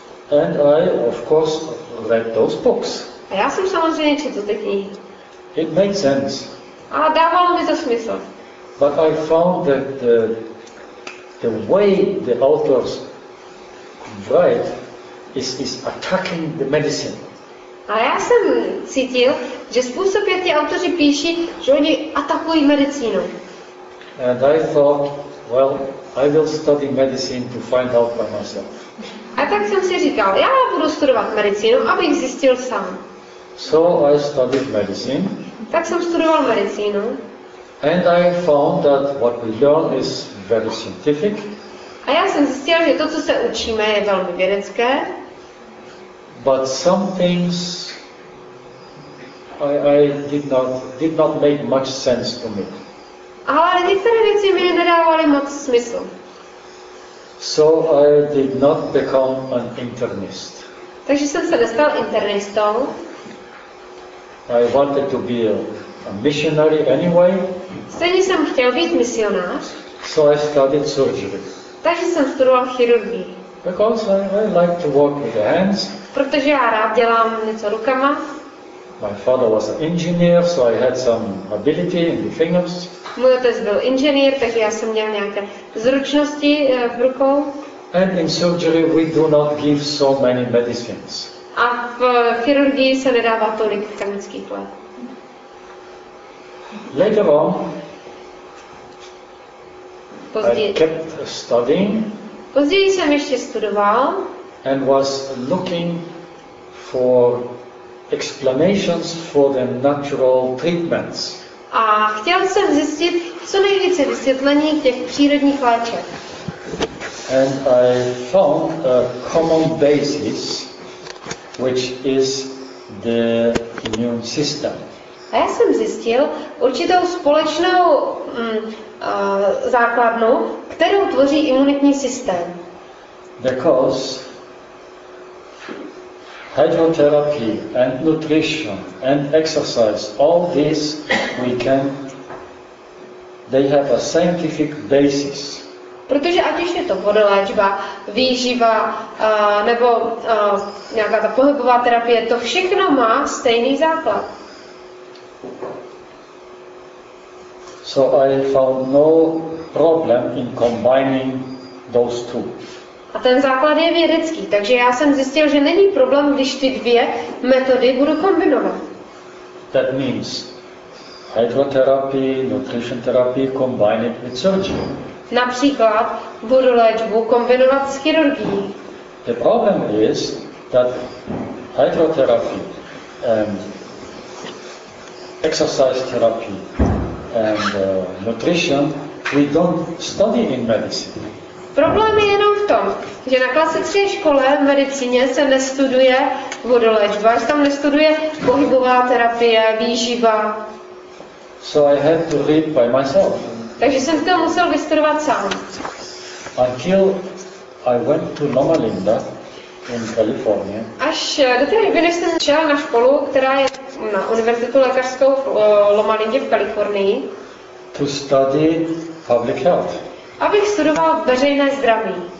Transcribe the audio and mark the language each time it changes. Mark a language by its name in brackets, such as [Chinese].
[English] And I, of course, read those books. [Czech] A já jsem samozřejmě četl ty knihy. [English] It made sense. [Czech] A dávalo mi to smysl. [English] But I found that the way the authors write is attacking the medicine. [Czech] A já jsem cítil, že způsob, jak ti autoři píší, že oni atakují medicínu. [English] And I thought, well, I will study medicine to find out by myself. [Czech] A tak jsem si říkal, já budu studovat medicínu, abych zjistil sám. [English] So I studied medicine. [Czech] Tak jsem studoval medicínu. [English] And I found that what we learn is very scientific. [Czech] A já jsem zjistil, že to, co se učíme, je velmi vědecké. [English] But some things I did not make much sense to me. [Czech] Ale některé věci mi nedávaly moc smysl. [English] So I did not become an internist. [Czech] Takže jsem se nestal internistou. [English] I wanted to be a missionary anyway. [Czech] Stejně jsem chtěl být misionář. [English] So I studied surgery. [Czech] Takže jsem studoval chirurgii. [English] Because I like to work with the hands. [Czech] Protože já rád dělám něco rukama. [English] My father was an engineer, so I had some ability in the fingers. [Czech] Můj otec byl inženýr, tak já jsem měl nějaké zručnosti v rukou. [English] And in surgery we do not give so many medicines. [Czech] A v chirurgii se nedává tolik chemických léků. [English] Later on, [Czech] později, [English] I kept studying. [Czech] Později jsem ještě studoval. [English] And was looking for explanations for the natural treatments. [Czech] A chtěl jsem zjistit co nejvíce vysvětlení těch přírodních léčeb. [English] And I found a common basis, which is the immune system. [Czech] A já jsem zjistil určitou společnou základnu, kterou tvoří imunitní systém. [English] Because hydrotherapy and nutrition and exercise, all these we can, they have a scientific basis. [Czech] Protože ať už je to vodoléčba, výživa, nebo nějaká ta pohybová terapie, to všechno má stejný základ. [English] So I found no problem in combining those two. [Czech] A ten základ je vědecký, takže já jsem zjistil, že není problém, když ty dvě metody budu kombinovat. [English] That means hydrotherapy, nutrition therapy combined with surgery. [Czech] Například budu léčbu kombinovat s chirurgií. [English] The problem is that hydrotherapy and exercise therapy and nutrition we don't study in medicine. [Czech] Problém je jenom v tom, že na klasické škole v medicíně se nestuduje vodoléčba, že tam nestuduje pohybová terapie, výživa. [English] So I had to read by myself. [Czech] Takže jsem to musel vystudovat sám. [English] Until I went to Loma Linda in California. [Czech] Až do té doby, než jsem šel na školu, která je na univerzitu lékařskou v Loma Linda v Kalifornii. [English] To study public health. [Czech] Abych studoval veřejné zdraví.